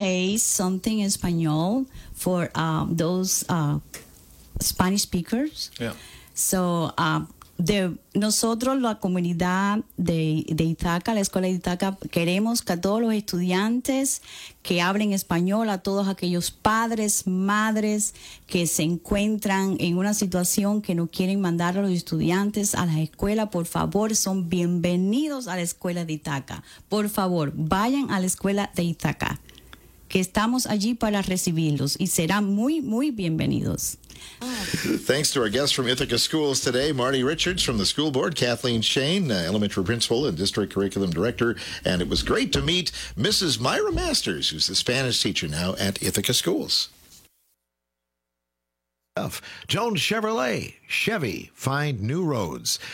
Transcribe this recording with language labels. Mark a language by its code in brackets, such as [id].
[en] Say something in español for those Spanish speakers. Yeah. [es] So de nosotros, la comunidad de Ithaca, la escuela de Ithaca, queremos que a todos los estudiantes que hablen español, a todos aquellos padres, madres que se encuentran en una situación que no quieren mandar a los estudiantes a la escuela, por favor, son bienvenidos a la escuela de Ithaca. Por favor, vayan a la escuela de Ithaca, que estamos allí para recibirlos y serán muy, muy bienvenidos. [en] Thanks to our guests from Ithaca Schools today, Marty Richards from the school board, Kathleen Shane, elementary principal and district curriculum director, and it was great to meet Mrs. Myra Masters, who's the Spanish teacher now at Ithaca Schools. Jones Chevrolet, Chevy, find new roads.